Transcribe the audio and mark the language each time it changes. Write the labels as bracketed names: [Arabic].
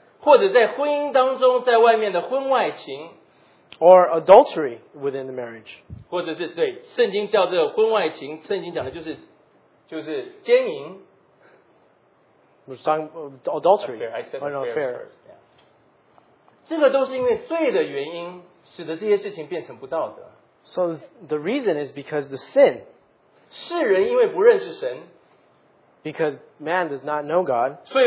[Chinese] 或者在婚姻当中在外面的婚外情。 [English] Or adultery within the marriage. [Chinese] 或者是对,圣经叫这个婚外情,圣经讲的就是奸淫。 [English] We're talking about adultery. I said affair. Yeah. [Chinese] 这个都是因为罪的原因,使得这些事情变成不道德。 [English] So the reason is because the sin. [Chinese] 世人因为不认识神。 [English] Because man does not know God.